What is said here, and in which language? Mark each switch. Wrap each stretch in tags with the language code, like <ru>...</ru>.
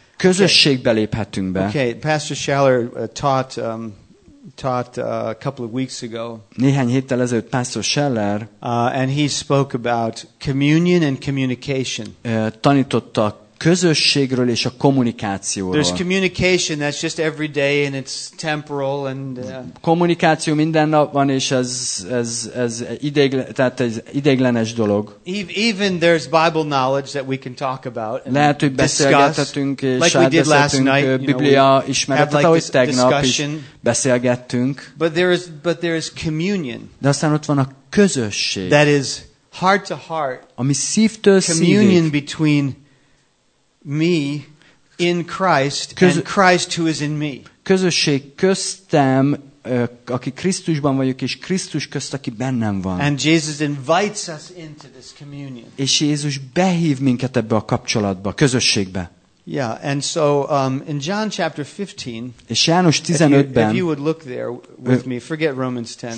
<hu>Közösségbe léphetünk be.</hu> <en>Okay, Pastor Schaller taught a couple of weeks ago.</en> <hu>Néhány héttel ezelőtt Pastor Scheller,</hu> <en>and he spoke about communion and communication.</en> <hu>Tanította a közösségről és a kommunikációról.</hu> <en>There's communication that's just every day and it's temporal and</en> <hu>kommunikáció minden nap van és ez ideiglenes dolog.</hu> <en>Even there's Bible knowledge that we can talk about.</en> <hu>Lehet, hogy beszélgethetünk és átbeszéltünk Biblia ismeretet, ahogy tegnap is beszélgettünk.</hu> <en>But there is communion.</en> <hu>De aztán ott van a közösség.</hu> <en>That is heart to heart.</en> <hu>Ami szívtől szívig.</hu> <en>Communion between me in Christ and Christ who is in me.</en> <hu>Közösség köztem, aki Krisztusban vagyok, és Krisztus közt, aki bennem van.</hu> <en>And Jesus invites us into this communion.</en> <hu>És Jézus behív minket ebbe a kapcsolatba, közösségbe.</hu> <en>Yeah, and so in John chapter 15,</en> <hu>és János 15-ben,</hu> <en>if you would look there with me, forget Romans 10.</en>